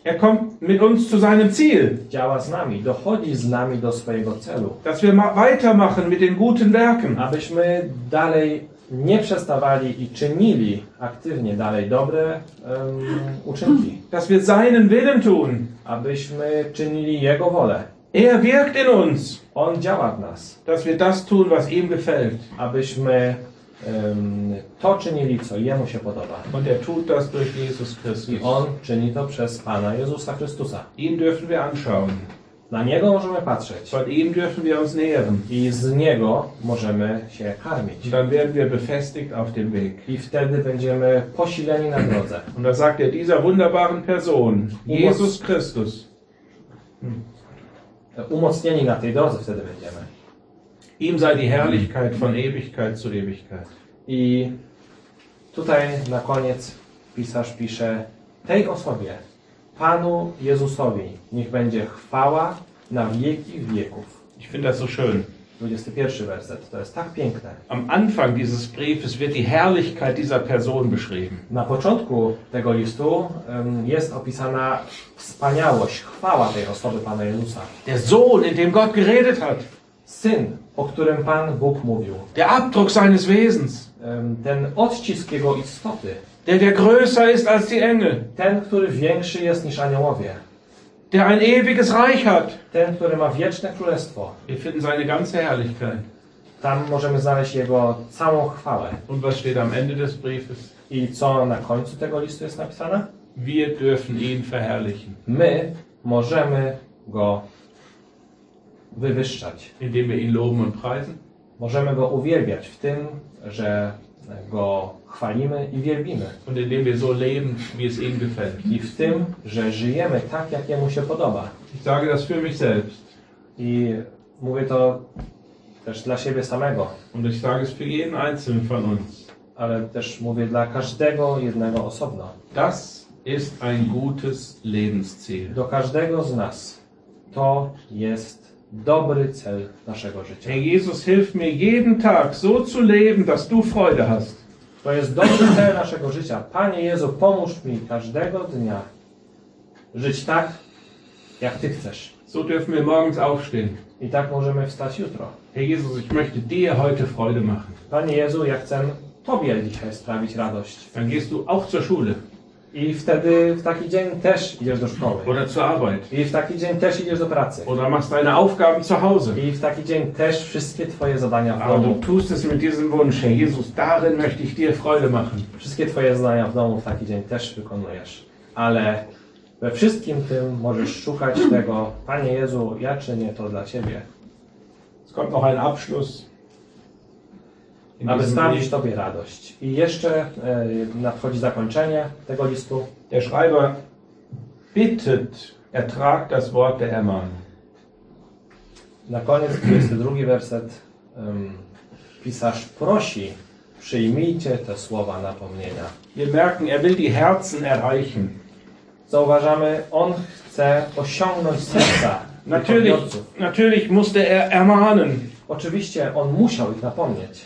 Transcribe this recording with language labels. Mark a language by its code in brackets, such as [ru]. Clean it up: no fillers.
[de] Er kommt mit uns zu seinem Ziel. [pl] Działa z nami, dochodzi z nami do swojego celu. [de] Dass wir weitermachen mit den guten Werken. [pl] Abyśmy dalej nie przestawali i czynili aktywnie dalej dobre uczynki. [de] Dass wir seinen Willen tun. [pl] Abyśmy czynili Jego wolę. [de] Er wirkt in uns. [pl] On działa w nas. [de] Dass wir das tun, was ihm gefällt. [pl] Abyśmy to czynili, co Jemu się podoba. [de] Und er tut das durch Jesus Christus. [pl] I on czyni to przez Pana Jezusa Chrystusa. [de] Ihn dürfen wir anschauen. [pl] Na Niego możemy patrzeć. [de] Von ihm dürfen wir uns nähren. [pl] I z Niego możemy się karmić. [de] Dann werden wir befestigt auf dem Weg. [pl] I wtedy będziemy posileni na drodze. [de] Und da sagt dieser wunderbaren Person, Jesus Christus. [pl] Umocnieni na tej drodze wtedy będziemy. [de] Ihm sei die Herrlichkeit von Ewigkeit zu Ewigkeit. [pl] I tutaj na koniec pisarz pisze tej osobie. Panu Jezusowi niech będzie chwała na wieki wieków. [de] Ich finde das so schön. [pl] 21. werset. To jest tak piękne. [de] Am Anfang dieses Briefes wird die Herrlichkeit dieser Person beschrieben. [pl] Na początku tego listu jest opisana wspaniałość, chwała tej osoby Pana Jezusa. [de] Der Sohn, in dem Gott geredet hat. [pl] Syn, o którym Pan Bóg mówił. [de] Der Abdruck seines Wesens. [pl] Ten odcisk jego istoty. [de] Der größer ist als die Engel. [pl] Ten, który większy jest niż aniołowie. [de] Der ein ewiges Reich hat. [pl] Ten, który ma wieczne królestwo. [de] Wir finden seine ganze Herrlichkeit. [pl] Tam możemy znaleźć jego całą chwałę. [de] Und was steht am Ende des Briefes? [pl] I co na końcu tego listu jest napisane? [de] Wir dürfen ihn verherrlichen. [pl] My możemy go wywyższać. [de] Indem wir ihn loben und preisen. [pl] Możemy go uwielbiać w tym, że go chwalimy i wielbimy. [de] Und indem wir so leben, wie es ihm gefällt. [pl] I w tym, że żyjemy tak, jak jemu się podoba. [de] Ich sage das für mich selbst. [pl] I mówię to też dla siebie samego. [de] Und ich sage es für jeden einzelnen von uns. [pl] Ale też mówię dla każdego jednego osobno. [de] Das ist ein gutes Lebensziel. [pl] Do każdego z nas to jest dobry cel naszego życia. [de] Herr Jesus, hilf mir jeden Tag so zu leben, dass du Freude hast. [pl] To jest dobry cel naszego życia. Panie Jezu, pomóż mi każdego dnia żyć tak, jak Ty chcesz. [de] So dürfen wir morgens aufstehen. [pl] I tak możemy wstać jutro. [de] Herr Jesus, ich möchte dir heute Freude machen. [pl] Panie Jezu, ja chcę Tobie dzisiaj sprawić radość. [de] Dann gehst du auch zur Schule. [pl] I wtedy w taki dzień też idziesz do szkoły. [de] Oder zur Arbeit. [pl] I w taki dzień też idziesz do pracy. [de] Oder machst deine Aufgaben zu Hause. [pl] I w taki dzień też wszystkie twoje zadania w domu. [de] Aber du tust es mit diesem Wunsch, Herr Jesus, darin möchte ich dir Freude machen. [pl] Wszystkie twoje zadania w domu w taki dzień też wykonujesz. Ale we wszystkim tym możesz szukać tego, Panie Jezu, ja czynię to dla Ciebie. [de] Es kommt noch ein Abschluss. [pl] Aby sprawić Tobie radość. I jeszcze nadchodzi zakończenie tego listu. [de] Der Schreiber bittet, ertrag das Wort der Herrmann. [pl] Na koniec, 22 werset, pisarz prosi, przyjmijcie te słowa napomnienia. [de] Wir merken, er will die Herzen erreichen. [pl] Zauważamy, on chce osiągnąć serca. [de] Natürlich musste er ermahnen. [pl] Oczywiście on musiał ich napomnieć.